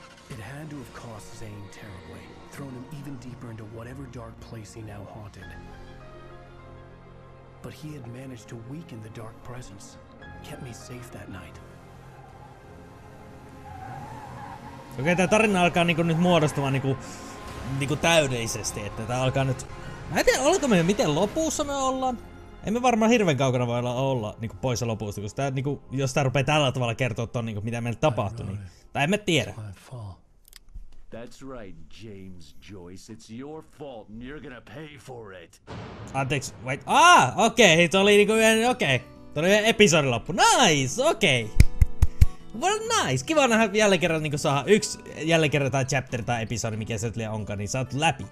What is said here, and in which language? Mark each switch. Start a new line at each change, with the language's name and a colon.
English: It had to have cost Zane terribly, thrown him even deeper into whatever dark place he now haunted. But he had managed to weaken the dark presence, kept me safe that night.
Finnish: Okei, tää tarina alkaa niinku nyt muodostumaan niinku, niinku täydellisesti, että tää alkaa nyt... Mä en tiedä, oliko me miten lopussa me ollaan? Emme varmaan hirveen kaukana voi olla niinku pois lopusta, koska tää niinku, jos tää rupee tällä tavalla kertoa ton niinku, mitä meille tapahtui, niin... Tai emme tiedä.
English: That's right, James Joyce. It's your fault and you're gonna pay for it.
Finnish: Anteeksi,
English: wait.
Finnish: Ah, okei, okay, toi oli niinku yhden, okei. Okay. Toi oli yhden episodin loppu. Nice, okei. Okay. Well nice, kiva nähdä jälleen kerran niinku saada yks jälleen kerran tai chapter tai episodi, mikä se liian onkaan, niin saatu läpi.